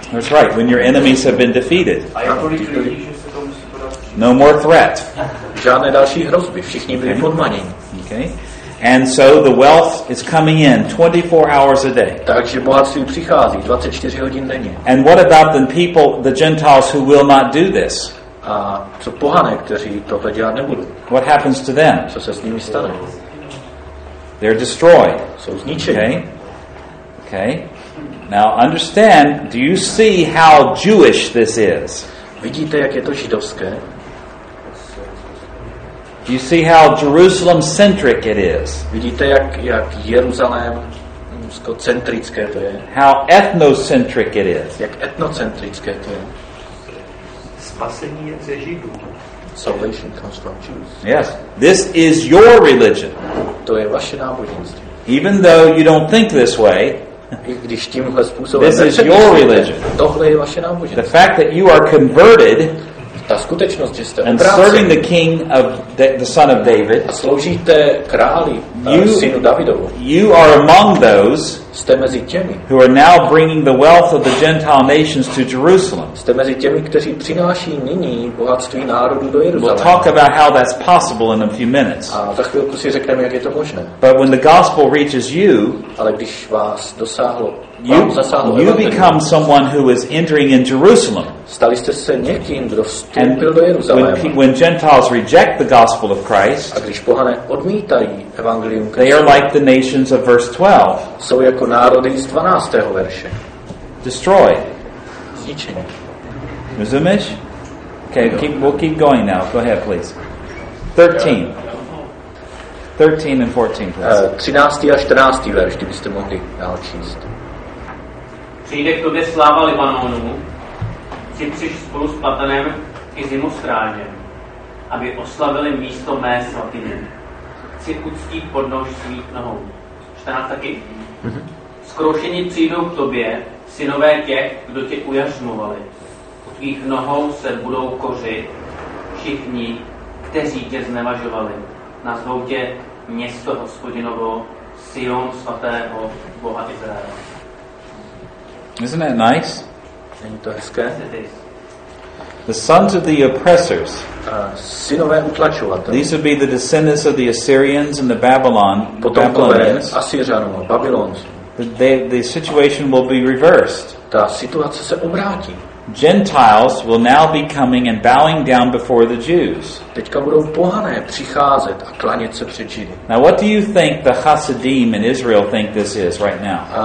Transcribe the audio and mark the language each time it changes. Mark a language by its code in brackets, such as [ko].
[en] That's right, when your enemies have been defeated. No more threat. [cs] Žádné další hrozby, všichni byli podmaněni. [en] Okay. And so the wealth is coming in 24 hours a day. [cs] Takže bohatství přichází 24 hodin denně. [en] And what about the people, the Gentiles who will not do this? [cs] A co pohané, kteří tohle dělat nebudou? [en] What happens to them? [cs] Co se s nimi stane? [en] They're destroyed. [cs] Jsou zničeni. [en] Okay. Okay. Now understand, do you see how Jewish this is? [cs] Vidíte, jak je to židovské? [en] Do you see how Jerusalem centric it is? [cs] Vidíte, jak Jeruzalém centrické to je? [en] How ethnocentric it is? [cs] Jak etnocentrické to je? Spasení je ze Židů. [en] Salvation comes from Jews. Yes. This is your religion. [cs] To je vaše náboženství. [en] Even though you don't think this way, [cs] když tímhle způsobem [en] this is your religion. [cs] Tohle je vaše náboženství. [en] The fact that you are converted [cs] ta skutečnost, že jste [en] and serving the king of the son of David, [cs] a sloužíte králi, synu Davidovu, [en] you are among those [cs] jste mezi těmi, [en] who are now bringing the wealth of the Gentile nations to Jerusalem. [cs] Jste mezi těmi, kteří přináší nyní bohatství národů do Jeruzaléma. [en] We'll talk about how that's possible in a few minutes. [cs] A za chvilku si řekneme, jak je to možné. [en] But when the gospel reaches you, [cs] ale když vás dosáhlo, [en] you become someone who is entering in Jerusalem. [cs] Stali jste se někým, kdo vstoupil do Jeruzaléma. [en] When Gentiles reject the gospel of Christ, [cs] a když pohané odmítají evangelium Kristu, [en] they are like the nations of verse 12. [cs] Jsou jako národy z 12. verše. [en] Destroy. [cs] Zničení. Rozumíš? [en] Okay, we'll keep going now. Go ahead, please. 13. 13 and 14, please. [cs] 13. a 14. verš, kdybyste mohli dál číst. Přijde k tobě sláva Libanonu, si přiš spolu s Patanem i Zimostrážem, aby oslavili místo mé svatyně. Chci uctít podnož svých nohou. 14 taky. Zkroušení přijdou k tobě, synové těch, kdo tě ujařmovali. U tvých nohou se budou kořit všichni, kteří tě znevažovali. Nazvou tě město Hospodinovo, Sion svatého Boha Izraela. [en] Isn't that nice? [cs] Není to hezké? [en] The sons of the oppressors. [cs] Synové utlačovatelé. [en] These would be the descendants of the Assyrians and the Babylon. [cs] Potomkové Asyřanů, Babylonů. [en] The situation will be reversed. [cs] Ta situace se obrátí. [en] Gentiles will now be coming and bowing down before the Jews. [cs] Teďka budou pohané přicházet a klanět se před Židy. [en] Now, what do you think the Hasidim in Israel think this is right now?